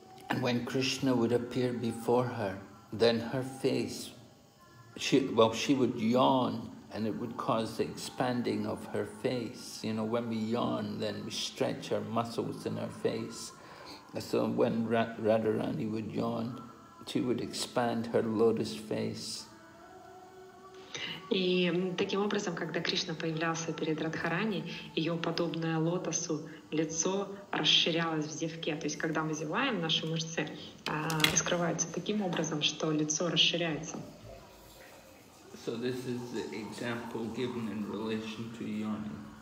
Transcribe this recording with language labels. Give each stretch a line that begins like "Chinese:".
English: And when Krishna would appear before her, then her face, she would yawn, and it would cause the expanding of her face. You know, when we yawn, then we stretch our muscles in our face. So when Radharani would yawn, she would expand her lotus face.
Russian: И таким образом, когда Кришна появлялся перед Радхарани, ее подобное лотосу лицо расширялось в зевке. То есть, когда мы зеваем, наши мышцы раскрываются таким образом, что лицо расширяется.
English: So this is the example given in relation to yawning.